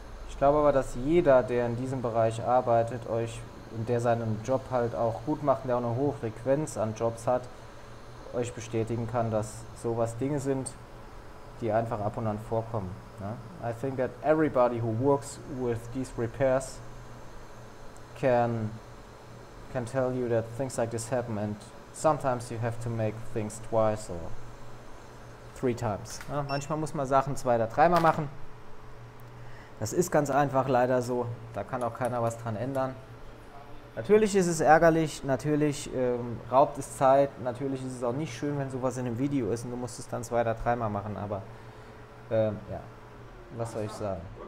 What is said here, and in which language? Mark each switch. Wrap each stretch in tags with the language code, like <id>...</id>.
<de>Ich glaube aber, dass jeder, der in diesem Bereich arbeitet, euch und der seinen Job halt auch gut macht, der auch eine hohe Frequenz an Jobs hat, euch bestätigen kann, dass sowas Dinge sind, die einfach ab und an vorkommen.</de> <en>I think that everybody who works with these repairs can tell you that things like this happen and sometimes you have to make things twice or three times.</en> <de>Ja, manchmal muss man Sachen zwei oder dreimal machen. Das ist ganz einfach leider so. Da kann auch keiner was dran ändern. Natürlich ist es ärgerlich, natürlich raubt es Zeit, natürlich ist es auch nicht schön, wenn sowas in einem Video ist und du musst es dann zwei oder dreimal machen, aber ja. Was soll ich sagen?</de>